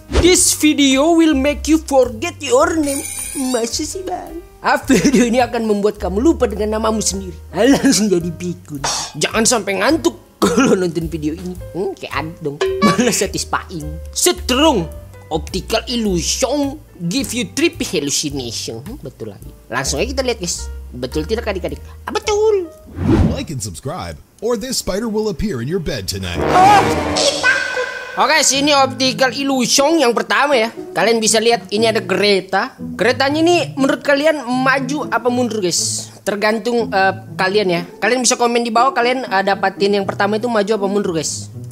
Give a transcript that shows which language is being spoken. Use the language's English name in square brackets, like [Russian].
[English] This video will make you forget your name. [Indonesian] Masih sih, bang. Video ini akan membuat kamu lupa dengan namamu sendiri. Langsung jadi pikun. Jangan sampai ngantuk kalau nonton video ini. Kayak adik dong. Malah satisfying. [English] Strong optical illusion give you trippy hallucination. [Indonesian] Betul lagi. Langsung aja kita lihat, guys. Betul tidak, adik-adik? Betul. [English] Like and subscribe, or this spider will appear in your bed tonight. [Indonesian] Okay, sini optical illusion yang pertama ya. Kalian bisa lihat ini ada kereta. Keretanya ini menurut kalian maju apa mundur, guys? Tergantung kalian ya. Kalian bisa komen di bawah kalian dapatin yang pertama itu maju apa mundur, guys?